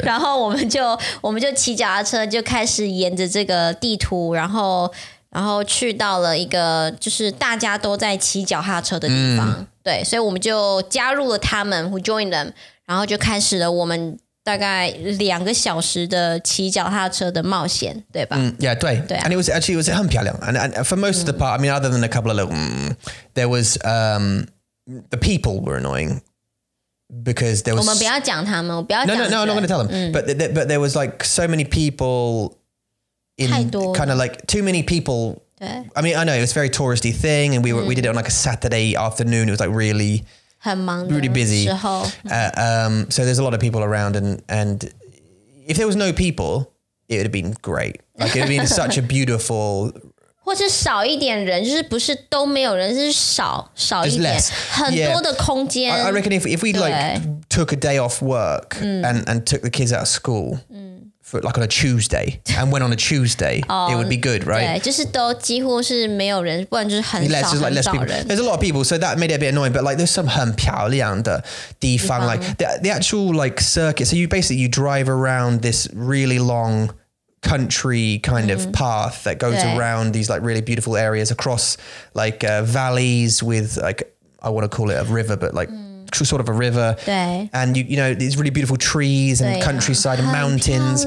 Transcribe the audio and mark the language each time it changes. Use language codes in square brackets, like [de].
[zh] 然后我们就骑脚踏车 就开始沿着这个地图 然后去到了一个就是大家都在骑脚踏车的地方 对所以我们就加入了他们 [en] We joined them [zh] 然后就开始了我们 大概两个小时的骑脚踏车的冒险, 对吧? Yeah, 对, 对啊, [en] and it was actually, it was [zh] 很漂亮, [en] and for most of the part, I mean, other than a couple of little, there was, the people were annoying, because there was, [zh] 我们不要讲他们, 我不要讲, [en] no, I'm not going to tell them, but there was like so many people, in [zh] 太多, [en] kind of like too many people, [zh] 对, [en] I mean, I know, it was a very touristy thing, and we did it on like a Saturday afternoon, it was like really, [zh] 很忙的时候, [en] really busy. So there's a lot of people around, and if there was no people, it would have been great. Like, it would have been such a beautiful. [zh] 或是少一点人, 就是不是都没有人, 是少, [en] just less. [zh] 很多的空间, [en] yeah. I reckon if we like took a day off work and took the kids out of school for like on a Tuesday and went on a Tuesday, it would be good, right? [zh] 对, 就是都几乎是没有人, 不然就是很少, [en] less, just like less people. There's a lot of people, so that made it a bit annoying, but like there's some [zh] 很漂亮的地方, [en] like the actual like circuit. So you basically, you drive around this really long country kind of path that goes around these like really beautiful areas across like valleys with like, I want to call it a river, but like, sort of a river, and you know, these really beautiful trees and countryside and mountains.